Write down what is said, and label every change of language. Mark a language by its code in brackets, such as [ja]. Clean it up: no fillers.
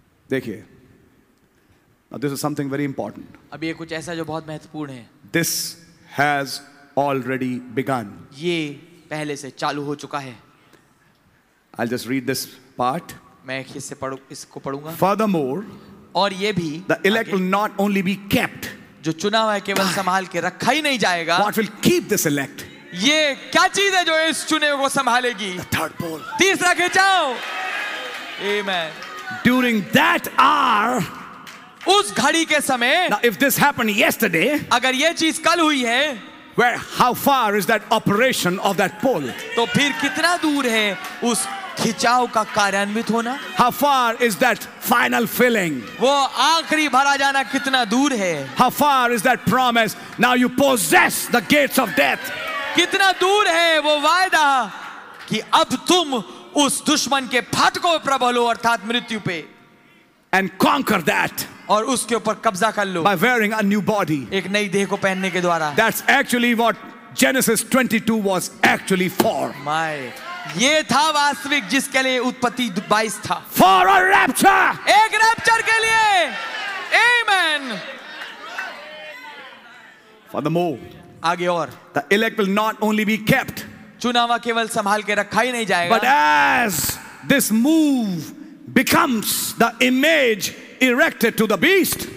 [hi] देखिए, [en] this is something very important. [hi] अभी ये कुछ ऐसा जो बहुत महत्वपूर्ण है. [en] This has already begun. [hi] ये पहले से चालू हो चुका है. [en] I'll just read this part. [hi] मैं इससे इसको पढूंगा. [en] Furthermore, [hi] और ये भी, [en] the elect will not only be kept. [hi] जो चुना हुआ है केवल संभाल के रखा ही नहीं जाएगा. [en] What will keep this elect? [hi] ये क्या चीज है जो इस चुने को संभालेगी? [en] The third pole. [hi] तीसरा खिंचाव. Amen. [en] During that hour. [hi] उस घड़ी के समय. [en] Now, if this happened yesterday, [hi] अगर ये चीज कल हुई है, [en] where, how far is that operation of that pole? [hi] तो फिर कितना दूर है उस खिंचाव का कार्यान्वित होना? [en] How far is that final filling? [hi] वो आखिरी भरा जाना कितना दूर है? [en] How far is that promise? Now you possess the gates of death. [hi] कितना दूर है वो वायदा कि अब तुम उस दुश्मन के फाटकों पर प्रबल हो अर्थात मृत्यु पे. [en] And conquer that. [hi] और उसके ऊपर कब्जा कर लो. [en] By wearing a new body. [hi] एक नई देह को पहनने के द्वारा. [en] That's actually what Genesis 22 was actually for. My. [hi] ये था वास्तविक जिसके लिए उत्पत्ति 22 था. [en] For a rapture. [hi] एक रैप्चर के लिए. Amen. [en] Furthermore. [hi] आगे और. [en] The elect will not only be kept. [hi] चुनावा केवल संभाल के रखा ही नहीं जाएगा. [en] But as this move becomes the image erected to the beast.